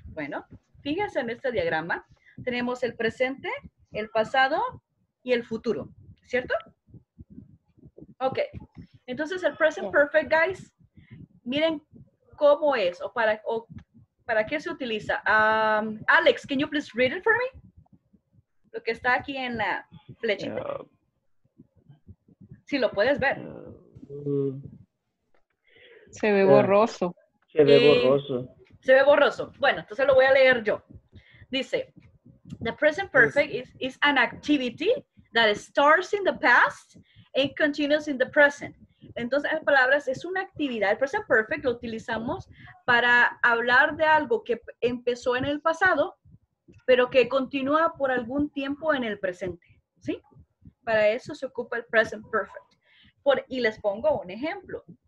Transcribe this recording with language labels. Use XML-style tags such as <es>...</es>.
<es>Bueno, fíjense en este diagrama. Tenemos el presente, el pasado y el futuro, ¿cierto? Ok. Entonces, el present perfect, guys, miren cómo es ¿Para qué se utiliza?</es> <en>Alex, can you please read it for me?</en> <es>Lo que está aquí en la flechita. Si lo puedes ver. Se ve borroso. Se ve borroso. Se ve borroso. Bueno, entonces lo voy a leer yo. Dice,</es> <en>the present perfect is an activity that starts in the past and continues in the present.</en> <es>Entonces, las palabras es una actividad. El present perfect lo utilizamos para hablar de algo que empezó en el pasado, pero que continúa por algún tiempo en el presente, ¿sí? Para eso se ocupa el present perfect. Y les pongo un ejemplo.</es>